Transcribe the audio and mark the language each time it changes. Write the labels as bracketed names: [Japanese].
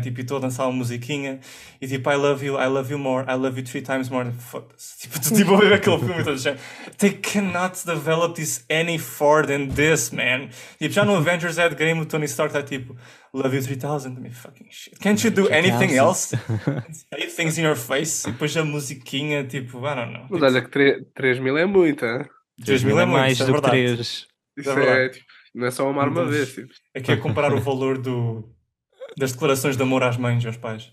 [Portuguese] Tipo, e estou a dançar uma musiquinha, e tipo, [English] I love you more, I love you three times more. [Portuguese] Tipo, tu tipo, ver aquele filme, todo assim. [English] They cannot develop this any further than this, man. [Portuguese] Tipo, já no Avengers Endgame, o Tony Stark está tipo, [English] love you 3000, I mean, fucking shit. Can't you do anything else? Say things in your face, [Portuguese] e depois a musiquinha, tipo, [English] I don't know. [Portuguese] Mas olha que 3000 é muito, hein? 2000 é mais do que 3. Isso é, tipo, não é só amar uma vez. Tipo. É que é comparar o valor das declarações de amor às mães e aos pais.